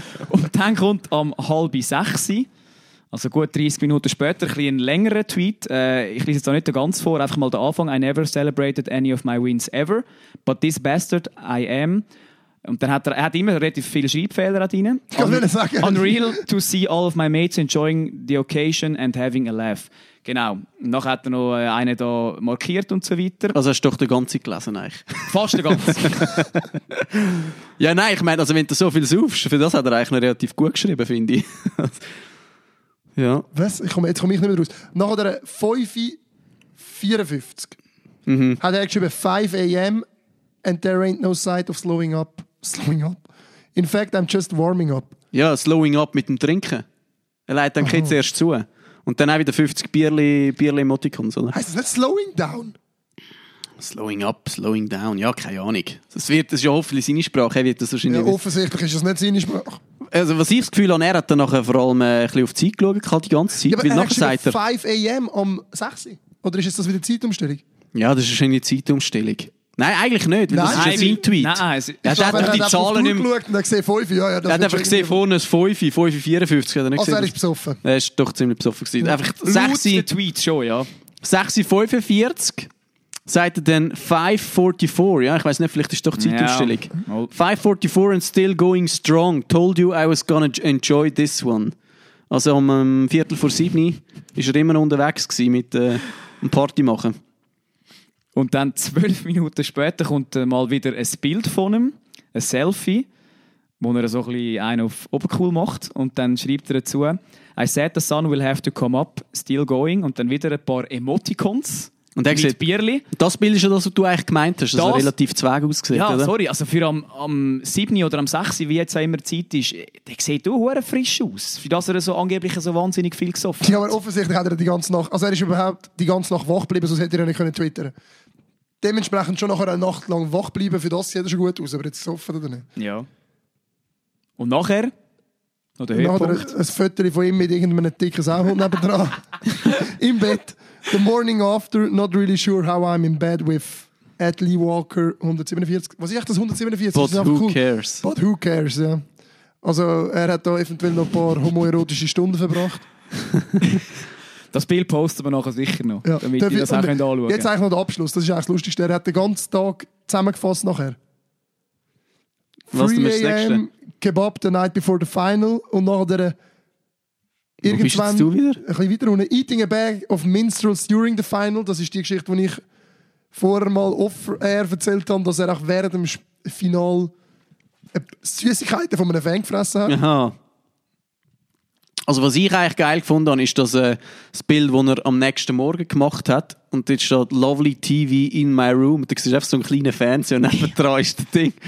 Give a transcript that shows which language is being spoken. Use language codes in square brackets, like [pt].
[de] Und dann kommt am 5:30, also gut 30 Minuten später, ein bisschen längerer Tweet. Ich lese jetzt auch nicht ganz vor, einfach mal den Anfang. [en] I never celebrated any of my wins ever, but this bastard I am. [de] Und dann hat er hat immer relativ viele Schreibfehler drin. Ich kann es sagen. [en] Unreal to see all of my mates enjoying the occasion and having a laugh. [de] Genau. Noch hat er noch einen da markiert und so weiter. Also hast du doch den ganzen gelesen eigentlich. Fast den ganzen. Ja, nein, ich meine, also wenn du so viel saufst, für das hat er eigentlich noch relativ gut geschrieben, finde ich. Ja. Was? Jetzt komme ich nicht mehr raus. Nach der 5:54 hat er geschrieben 5 a.m. [en] And there ain't no sight of slowing up. Slowing up. In fact, I'm just warming up. [de] Ja, slowing up mit dem Trinken. Er legt dann jetzt erst zu. Und dann auch wieder 50 Bierli-Emoticons, oder? Heißt das nicht slowing down? [en] Slowing up, slowing down. [de] Ja, keine Ahnung. Das ist ja hoffentlich seine Sprache. Er wird das wahrscheinlich offensichtlich ist das nicht seine Sprache. Also, was ich das Gefühl habe, er hat dann nachher vor allem ein bisschen auf die Zeit geschaut, die ganze Zeit. Ja, weil nachher sagt er 5 a.m. um 6 Uhr. Oder ist das wieder Zeitumstellung? Ja, das ist wahrscheinlich Zeitumstellung. Nein, eigentlich nicht, weil das ist ein Tweet. Nein, er hat einfach die Zahlen nicht mehr. Und gesehen, 5, ja, er hat einfach gesehen, vorne ein 5:54 hat er nicht gesehen. Also er ist besoffen. Er ist doch ziemlich besoffen gewesen. Einfach 6 Tweet schon, ja. 6:45 sagt er dann 5:44, ja, ich weiß nicht, vielleicht ist doch die Zeitumstellung. [en] 5:44 and still going strong, told you I was gonna enjoy this one. [de] Also um 6:45 ist er immer unterwegs gewesen mit dem Party machen. Und dann 12 Minuten später kommt mal wieder ein Bild von ihm, ein Selfie, wo er so ein bisschen einen auf Obercool macht. Und dann schreibt er dazu: [en] I said the sun will have to come up, still going. [de] Und dann wieder ein paar Emoticons und mit sieht, Bierli. Das Bild ist ja das, was du eigentlich gemeint hast, das relativ zweig ausgesehen. Ja, oder? Sorry, also für am 7. oder am 6., wie jetzt auch immer Zeit ist, der sieht auch sehr frisch aus, für das er so angeblich so wahnsinnig viel gesoffen hat. Ja, aber offensichtlich hat er die ganze Nacht, also er ist überhaupt die ganze Nacht wach geblieben, sonst hätte er nicht können twittern. Dementsprechend schon nachher eine Nacht lang wach bleiben, für das sieht er schon gut aus, aber jetzt gesoffen oder nicht? Ja. Und nachher? Oder Höhepunkt? Nachher ein Foto von ihm mit irgendeinem dicken Sauhund nebendran. Im Bett. [en] The morning after, not really sure how I'm in bed with at Lee Walker 147. [de] Was ist echt das 147? [en] But who cool. cares? But who cares, [de] ja. Also er hat da eventuell noch ein paar homoerotische Stunden verbracht. Das Bild posten wir nachher sicher noch, ja. Damit ihr das auch anschauen könnt. Jetzt eigentlich noch der Abschluss, das ist eigentlich das Lustigste. Er hat den ganzen Tag zusammengefasst nachher. [en] 3 a.m. Kebab the night before the final [de] und nachher irgendwann bist du wieder? Ein bisschen wieder runter. [en] Eating a bag of minstrels during the final. [de] Das ist die Geschichte, die ich vorher mal off-air erzählt habe, dass er auch während dem Final Süßigkeiten von einem Fan gefressen hat. Aha. Also was ich eigentlich geil gefunden habe, ist dass, das Bild, das er am nächsten Morgen gemacht hat. Und dort steht [en] «Lovely TV in my room». [de] Da siehst du einfach so einen kleinen Fernseher und nebenan ist das Ding.